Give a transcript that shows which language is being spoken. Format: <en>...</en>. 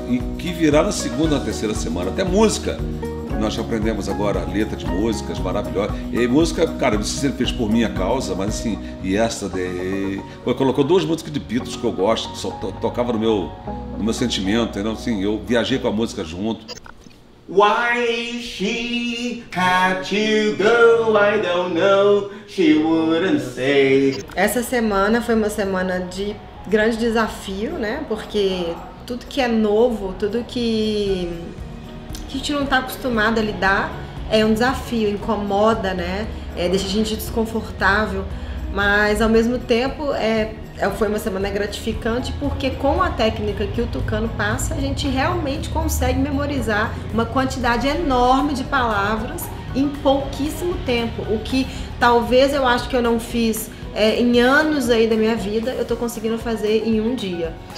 <pt>E que virá na segunda, na terceira semana. Até música. Nós aprendemos agora letra de músicas maravilhosa. E música, cara, não sei se ele fez por minha causa, mas assim, yesterday. Colocou duas músicas de Beatles que eu gosto, que só tocava no meu sentimento, entendeu? Assim, eu viajei com a música junto.</pt> <en>Why she had to go, I don't know, she wouldn't say.</en> <pt>Essa semana foi uma semana de grande desafio, né? Porque tudo que é novo, tudo que a gente não está acostumado a lidar, é um desafio, incomoda, né? É, deixa a gente desconfortável, mas ao mesmo tempo foi uma semana gratificante, porque com a técnica que o Tucano passa, a gente realmente consegue memorizar uma quantidade enorme de palavras em pouquíssimo tempo, o que talvez eu acho que eu não fiz em anos aí da minha vida, eu estou conseguindo fazer em um dia.</pt>